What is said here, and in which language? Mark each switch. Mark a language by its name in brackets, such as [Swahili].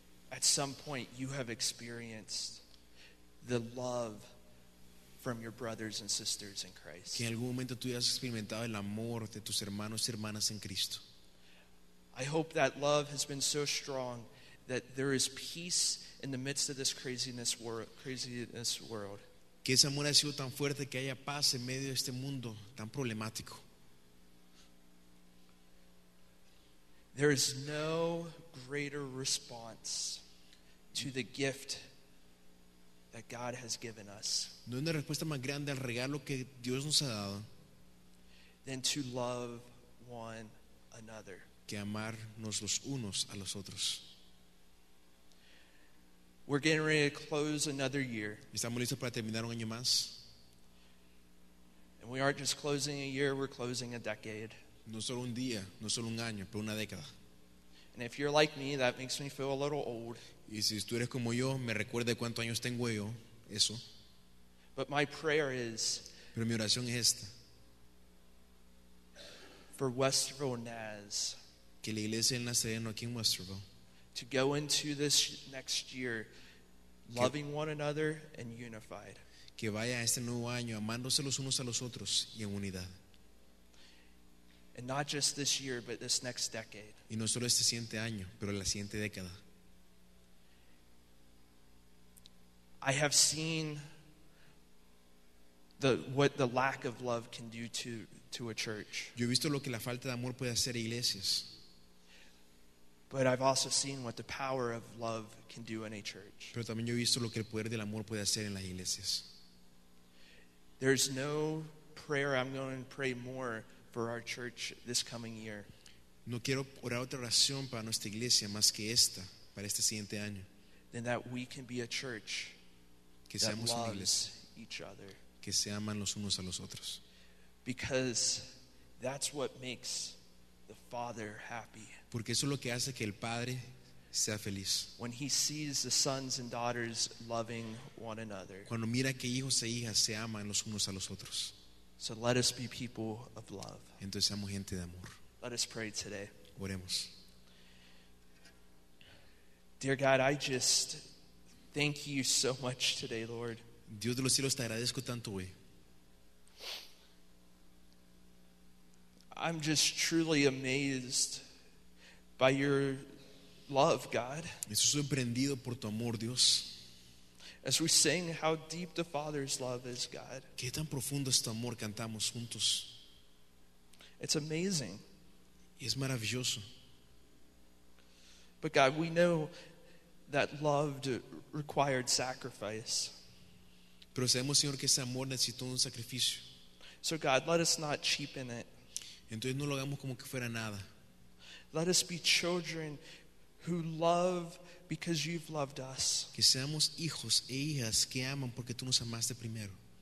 [English] At some point you have experienced the love from your brothers and sisters in Christ. [Spanish] Que en algún momento tú hayas experimentado el amor de tus hermanos y hermanas en Cristo. [English] I hope that love has been so strong that there is peace in the midst of this craziness world. [Spanish] Que ese amor ha sido tan fuerte que haya paz en medio de este mundo tan problemático. [English] There is no greater response to the gift that God has given us. [Spanish] No hay una respuesta más grande al regalo que Dios nos ha dado. [English] Than to love one another. [Spanish] Que amarnos los unos a los otros. [English] We're getting ready to close another year. [Spanish] Estamos listos para terminar un año más. [English] And we aren't just closing a year, we're closing a decade. [Spanish] No solo un día, no solo un año, pero una década. [English] And if you're like me, that makes me feel a little old. [Spanish] Y si tú eres como yo, me recuerda cuántos años tengo yo, eso. [English] But my prayer is, [Spanish] pero mi oración es esta. [English] For Westerville Naz. [Spanish] Que la iglesia del Nazareno aquí en Westerville. [English] To go into this next year loving one another and unified. [Spanish] Que vaya a este nuevo año amándose los unos a los otros y en unidad. [English] And not just this year, but this next decade. [Spanish] Y no solo este siguiente año, pero la siguiente década. [English] I have seen what the lack of love can do to a church. [Spanish] Yo he visto lo que la falta de amor puede hacer a iglesias. [English] But I've also seen what the power of love can do in a church. [Spanish] Pero también yo he visto lo que el poder del amor puede hacer en las iglesias. [English] There's no prayer I'm going to pray more for our church this coming year. [Spanish] No quiero orar otra oración para nuestra iglesia más que esta para este siguiente año. [English] Than that we can be a church [Spanish] que seamos [English] that [Spanish] una [English] loves [Spanish] iglesia, [English] each other. [Spanish] Que se aman los unos a los otros. [English] Because that's what makes the Father happy. [Spanish] Porque eso es lo que hace que el Padre sea feliz. [English] When he sees the sons and daughters loving one another. [Spanish] Cuando mira que hijos e hijas se aman los unos a los otros. [English] So let us be people of love. [Spanish] Entonces seamos gente de amor. [English] Let us pray today. [Spanish] Oremos. [English] Dear God, I just thank you so much today, Lord. [Spanish] Dios de los cielos, te agradezco tanto hoy. [English] I'm just truly amazed by your love, God. [Spanish] Estoy sorprendido por tu amor, Dios. [English] As we sing, how deep the Father's love is, God. [Spanish] Qué tan profundo es tu amor, cantamos juntos. [English] It's amazing. [Spanish] Es maravilloso. [English] But God, we know that love required sacrifice. [Spanish] Pero sabemos, Señor, que ese amor necesitó un sacrificio. [English] So God, let us not cheapen it. [Spanish] Entonces no lo hagamos como que fuera nada. [English] Let us be children who love God. because you've loved us. [Spanish] Que seamos hijos e hijas que aman porque tú nos amaste primero.